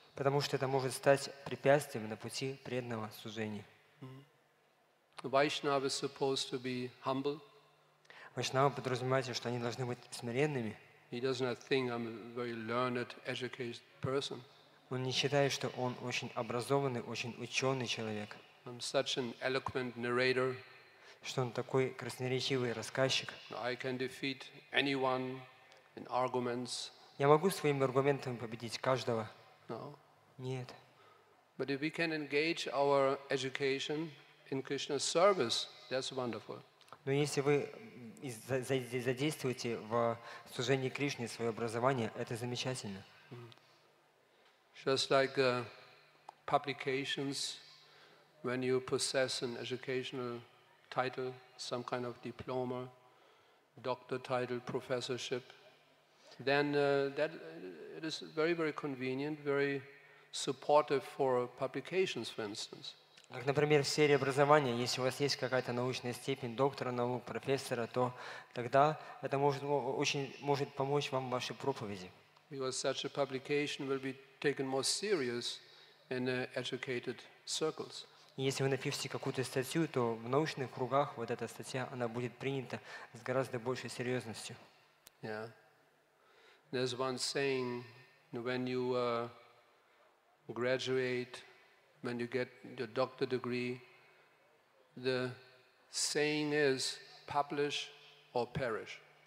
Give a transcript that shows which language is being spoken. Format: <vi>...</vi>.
<ru>Потому что это может стать препятствием на пути преданного служения.</ru> <en>Вайшнава supposed to be humble.</en> <ru>Вайшнава подразумевается, что они должны быть смиренными.</ru> <en>He does not think I'm a very learned, educated person.</en> <ru>Он не считает, что он очень образованный, очень ученый человек.</ru> <en>I'm such an eloquent narrator.</en> <ru>Что он такой красноречивый рассказчик.</ru> <en>I can defeat anyone in arguments.</en> <ru>Я могу своими аргументами победить каждого. Нет.</ru> <en>But if we can engage our education in Krishna's service, that's wonderful.</en> <ru>Но если вы задействуете в служении Кришне свое образование, это замечательно.</ru> <en>Just like publications, when you possess an educational title, some kind of diploma, doctor title, professorship, then that it is very, very convenient, very supportive for publications, for instance.</en> <ru>Как, например, в сфере образования, если у вас есть какая-то научная степень доктора наук, профессора, то тогда это может, очень может помочь вам в вашей проповеди.</ru> <en>Because such a publication will be taken more serious in educated circles.</en> <ru>Если вы напишете какую-то статью, то в научных кругах вот эта статья, она будет принята с гораздо большей серьезностью.</ru> <en>Yeah. There's one saying, when you graduate, when you get your doctor degree, the saying is, publish or perish.</en>